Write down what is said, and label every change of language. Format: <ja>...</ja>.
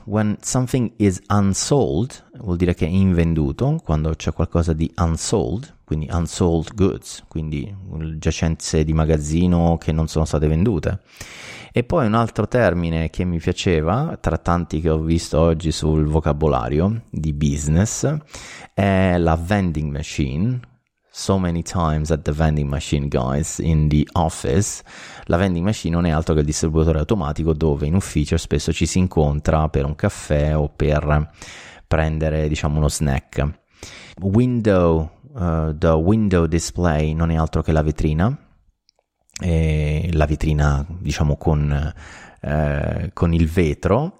<en>When something is unsold,</en> <it>vuol dire che è invenduto, quando c'è qualcosa di unsold, quindi unsold goods, quindi giacenze di magazzino che non sono state vendute. E poi un altro termine che mi piaceva, tra tanti che ho visto oggi sul vocabolario di business, è la vending machine.</it> <en>So many times at the vending machine, guys, in the office.</en> <it>La vending machine non è altro che il distributore automatico, dove in ufficio spesso ci si incontra per un caffè o per prendere, diciamo, uno snack. Window, the window display, non è altro che la vetrina. E la vetrina, diciamo, con il vetro.</it>